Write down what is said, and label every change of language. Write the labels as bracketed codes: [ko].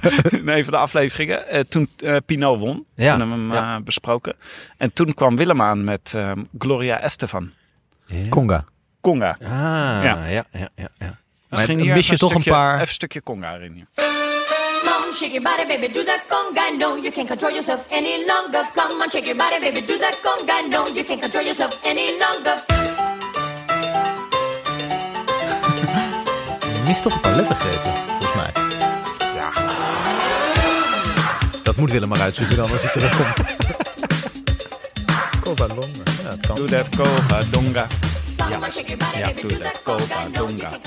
[nl] In een van de afleveringen. Toen Pino won. Ja. Toen hebben we hem besproken. En toen kwam Willem aan met Gloria Estefan. Ja. Conga. Conga. Ah, ja. Misschien dus mis je toch een paar... Even een stukje conga erin hier. [en] Shake your body, baby, do the conga. No, you can't control yourself any longer. Come on, shake your body, baby, do the conga. No, you can't control yourself any longer. [nl] Je mist toch een paar lettergrepen, volgens mij. Ja. Dat moet Willem maar uitzoeken dan als hij terugkomt. Covadonga. Ja, het kan. Doe dat Covadonga. Ja, doe dat Covadonga.